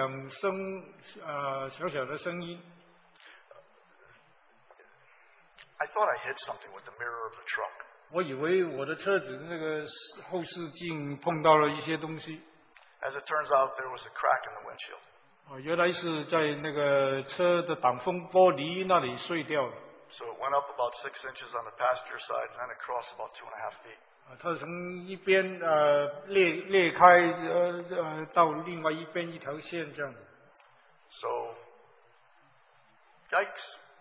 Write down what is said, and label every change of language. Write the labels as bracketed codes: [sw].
[zh] 到我开了大概10分钟就听了两声小小的声音。 [en] I thought I hit something with the mirror of the truck. [zh] 我以为我的车子那个后视镜碰到了一些东西。 [en] As it turns out, there was a crack in the windshield. [zh] 原来是在那个车的挡风玻璃那里碎掉了。 [en] So it went up about 6 inches on the passenger side, and then across about 2.5 feet. [zh] 它从一边裂开，到另外一边一条线这样子。 [en] So, yikes!